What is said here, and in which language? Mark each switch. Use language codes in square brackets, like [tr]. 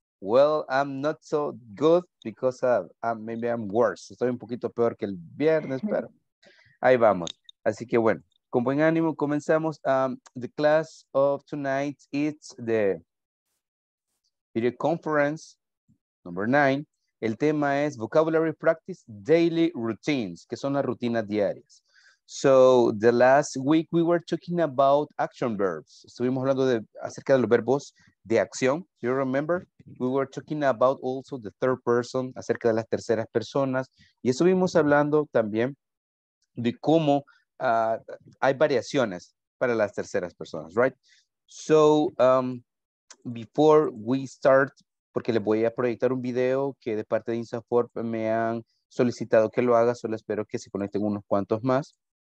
[en] Well, I'm not so good because maybe I'm worse. [es] Estoy un poquito peor que el viernes, pero ahí vamos. Así que bueno, con buen ánimo comenzamos. [en] The class of tonight, it's the video conference number 9. [es] El tema es [en] vocabulary practice, daily routines, [es] que son las rutinas diarias. [en] So the last week we were talking about action verbs. [es] Estuvimos hablando de acerca de los verbos de acción. [en] You remember? We were talking about also the third person, [es] acerca de las terceras personas. Y estuvimos hablando también de cómo hay variaciones para las terceras personas, right? [en] So, before we start, [es] porque les voy a proyectar un video que de parte de INSAFORP me han solicitado que lo haga, solo espero que se conecten unos cuantos más.